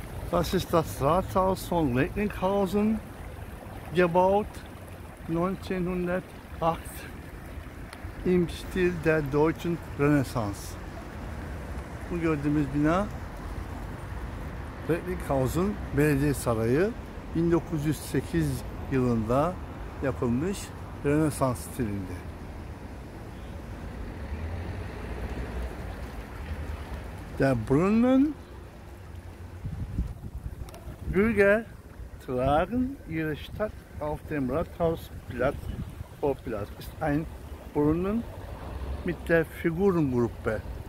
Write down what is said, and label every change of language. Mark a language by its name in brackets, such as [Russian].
[German] Das ist das Rathaus von Recklinghausen, gebaut 1908 im Stil der deutschen Renaissance. [Turkish] Bu gördüğümüz bina Recklinghausen Belediye Sarayı, 1908 yılında yapılmış Rönesans stilinde. [German] Der Brunnen Bürger tragen ihre Stadt auf dem Rathausplatz vor Platz. Ist ein Brunnen mit der Figurengruppe.